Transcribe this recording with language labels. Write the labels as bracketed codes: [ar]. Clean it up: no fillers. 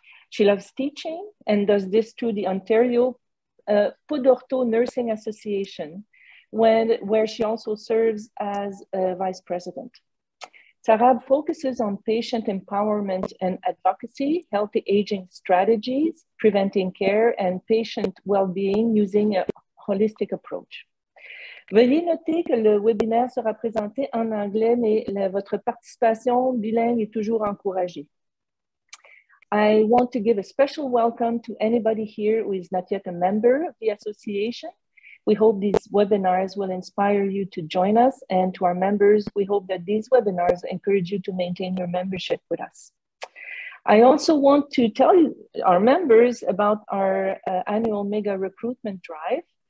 [en] She loves teaching and does this through the Ontario Podorto Nursing Association, where she also serves as a vice president. Sarab focuses on patient empowerment and advocacy, healthy aging strategies, preventing care, and patient well-being using a holistic approach. [fr] Veuillez noter que le webinaire sera présenté en anglais, mais votre participation bilingue est toujours encouragée. [en] I want to give a special welcome to anybody here who is not yet a member of the association. We hope these webinars will inspire you to join us, and to our members, we hope that these webinars encourage you to maintain your membership with us. I also want to tell you, our members, about our annual mega recruitment drive.